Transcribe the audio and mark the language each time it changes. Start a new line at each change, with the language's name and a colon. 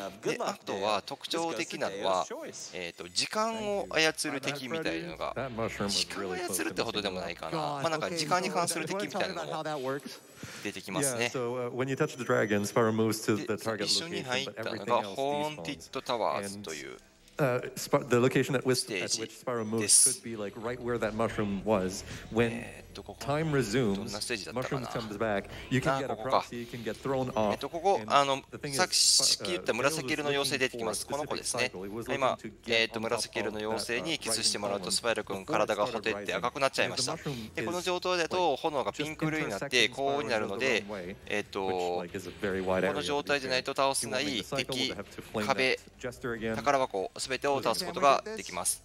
Japanese: であとは特徴的なのは、時間を操る敵みたいなのが、時間を操るってほどでもないかな、なんか時間に関する敵みたいなのも出てきますね。で一緒に入ったのがホーンティッドタワーズという
English: the location at which Spyro moves could be like right where that mushroom was when time resumes. Mushroom comes back. You can get a proxy. You can get thrown off.
Japanese: ここ、さっき言った紫色の妖精出てきます。この子ですね。今、紫色の妖精にキスしてもらうとスパイロ君体がほてって赤くなっちゃいました。でこの状態だと炎がピンク色になって高温になるので、この状態でないと倒せない敵、壁、宝箱すべてを倒すことができます。